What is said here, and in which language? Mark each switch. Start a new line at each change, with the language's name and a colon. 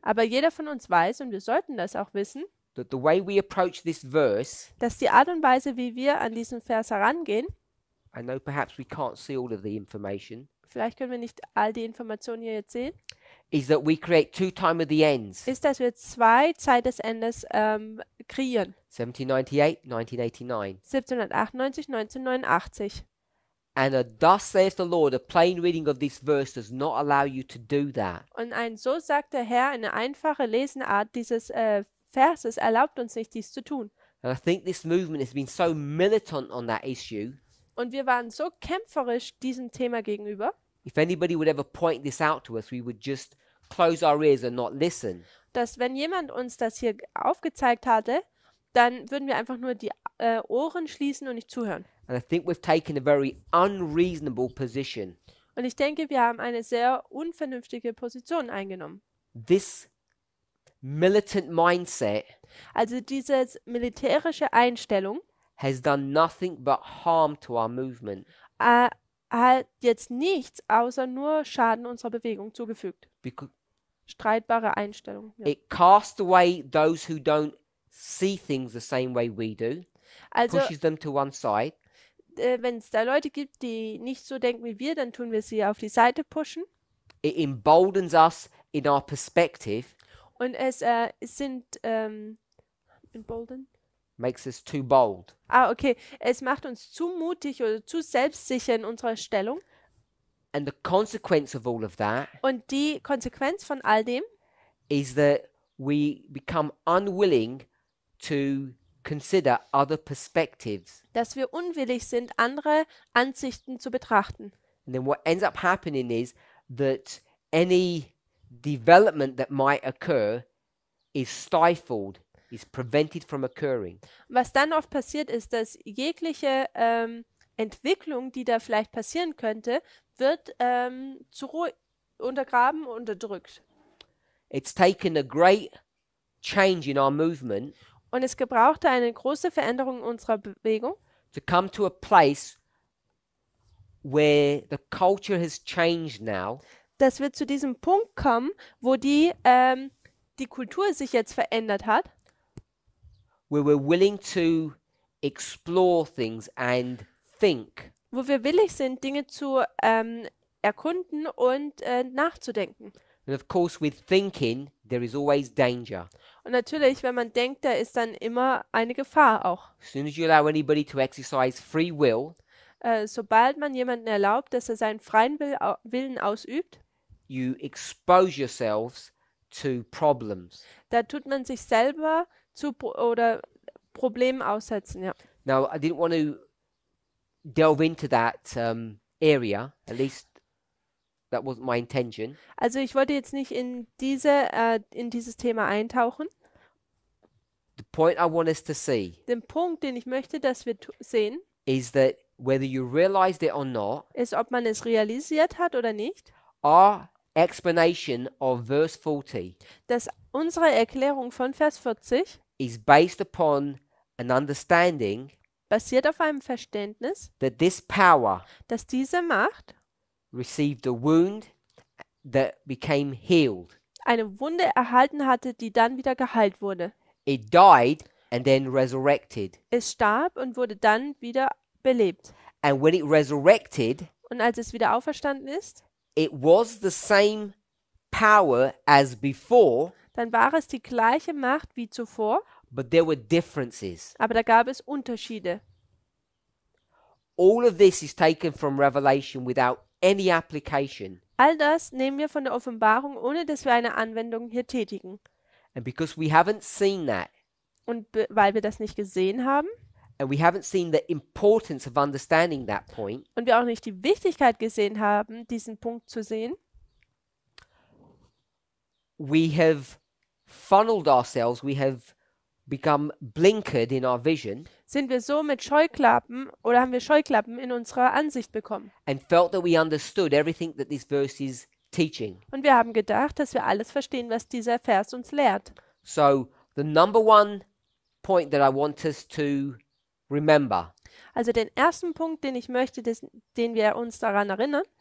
German: aber jeder von uns weiß, und wir sollten das auch wissen,
English: that the way we approach this verse,
German: dass die Art und Weise, wie wir an diesen Vers herangehen,
English: I know perhaps we can't see all of the information,
German: vielleicht können wir nicht all die Informationen hier jetzt sehen,
English: is that we create two time of the ends.
German: Ist, dass wir zwei Zeit des Endes kreieren. 1798, 1989.
English: And a thus says the Lord, a plain reading of this verse does not allow you to do that.
German: Und ein so sagt der Herr, eine einfache Lesenart dieses Verses erlaubt uns nicht, dies zu tun.
English: And I think this movement has been so militant on that issue.
German: Und wir waren so kämpferisch diesem Thema gegenüber.
English: If anybody would ever point this out to us, we would just close our ears and not listen.
German: Dass wenn jemand uns das hier aufgezeigt hatte, dann würden wir einfach nur die Ohren schließen und nicht zuhören.
English: And I think we've taken a very unreasonable position.
German: Und ich denke, wir haben eine sehr unvernünftige Position eingenommen.
English: This militant mindset,
German: also diese militärische Einstellung,
English: has done nothing but harm to our movement.
German: Hat jetzt nichts außer nur Schaden unserer Bewegung zugefügt. Streitbare Einstellung. Ja.
English: It casts away those who don't see things the same way we do.
German: Also,
English: pushes them to one side.
German: Wenn es da Leute gibt, die nicht so denken wie wir, dann tun wir sie auf die Seite pushen.
English: It emboldens us in our perspective.
German: Und es sind emboldened.
English: Makes us too bold. Ah, okay.
German: Es macht uns zu mutig oder zu selbstsicher in unserer Stellung.
English: And the consequence of all of that,
German: und die Konsequenz von all dem,
English: is that we become unwilling to consider other perspectives.
German: Dass wir unwillig sind, andere Ansichten zu betrachten.
English: And then what ends up happening is that any development that might occur is stifled. Is prevented from occurring.
German: Was dann oft passiert ist, dass jegliche Entwicklung, die da vielleicht passieren könnte, wird zu untergraben, unterdrückt.
English: It's taken a great change in our movement.
German: Und es gebrauchte eine große Veränderung unserer Bewegung.
English: To come to a place where the culture has changed now.
German: Dass wir zu diesem Punkt kommen, wo die die Kultur sich jetzt verändert hat.
English: Where we're willing to explore things and think.
German: Wo wir willig sind, Dinge zu erkunden und nachzudenken.
English: And of course, with thinking, there is always danger.
German: Und natürlich, wenn man denkt, da ist dann immer eine Gefahr auch.
English: As soon as you allow anybody to exercise free will,
German: sobald man jemanden erlaubt, dass er seinen freien Willen ausübt,
English: you expose yourselves to problems.
German: Da tut man sich selber zu Problemen aussetzen, ja.
English: Now, I didn't want to delve into that area, at least. That wasn't my intention.
German: Also ich wollte jetzt nicht in diese in dieses Thema eintauchen.
English: The point I want us to see.
German: Den Punkt, den ich möchte, dass wir sehen,
English: is that whether you realized it or not,
German: ist, ob man es realisiert hat oder nicht.
English: Our explanation of verse 40.
German: Dass unsere Erklärung von Vers 40
English: is based upon an understanding.
German: Basiert auf einem Verständnis.
English: That this power.
German: Dass diese Macht
English: received a wound that became healed.
German: Eine Wunde erhalten hatte, die dann wieder geheilt wurde.
English: It died and then resurrected.
German: Es starb und wurde dann wieder belebt.
English: And when it resurrected,
German: und als es wieder auferstanden ist,
English: it was the same power as before,
German: dann war es die gleiche Macht wie zuvor,
English: but there were differences.
German: Aber da gab es Unterschiede.
English: All of this is taken from Revelation without any application.
German: All das nehmen wir von der Offenbarung, ohne dass wir eine Anwendung hier tätigen.
English: And because we haven't seen that,
German: und weil wir das nicht gesehen haben,
English: and we haven't seen the importance of understanding that point,
German: und wir auch nicht die Wichtigkeit gesehen haben, diesen Punkt zu sehen,
English: we have funneled ourselves, we have become blinkered in our vision.
German: Sind wir so mit Scheuklappen oder haben wir Scheuklappen in unserer Ansicht bekommen?
English: And felt that we understood everything that this verse is teaching.
German: Und wir haben gedacht, dass wir alles verstehen, was dieser Vers uns lehrt.
English: So the number one point that I want us to remember.
German: Also den ersten Punkt, den ich möchte, den wir uns daran erinnern,